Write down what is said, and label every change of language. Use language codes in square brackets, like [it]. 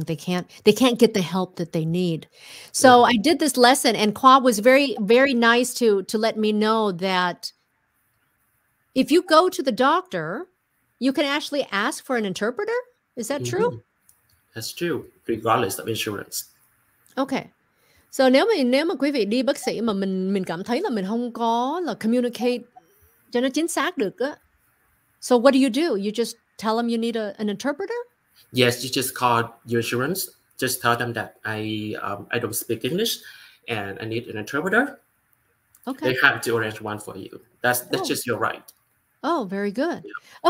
[en] They can't get the help that they need. So yeah. I did this lesson, and Kwa was very, very nice to let me know that if you go to the doctor, you can actually ask for an interpreter. Is that mm-hmm. true? That's true, regardless of insurance. Okay. [vi] So nếu mà quý vị đi bác sĩ mà mình cảm thấy là mình không có là communicate cho nó chính xác được á. [en] So what do? You just tell them you need an interpreter? Yes, you just call your insurance. Just tell them that I don't speak English and I need an interpreter. Okay. They have to arrange one for you. That's just your right. Oh, very good. Yeah.